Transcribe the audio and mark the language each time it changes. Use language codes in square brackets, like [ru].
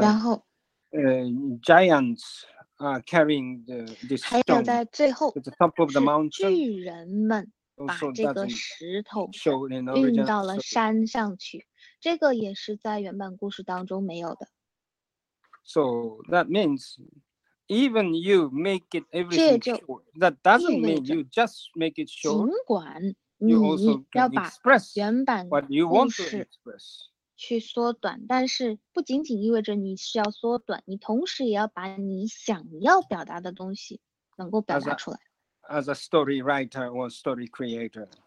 [zh] 然后, [en] giants are carrying this stone. [zh] 还有在最后, [en] at the top of the mountain. [zh] 巨人们。把这个石头运到了山上去, 这个也是在原版故事当中没有的。 [en] So that means even you make it everything short, that doesn't mean you just make it short. [zh] 尽管你要把原版故事去缩短, 但是不仅仅意味着你需要缩短, 你同时也要把你想要表达的东西能够表达出来。 [en] As a story writer or story creator.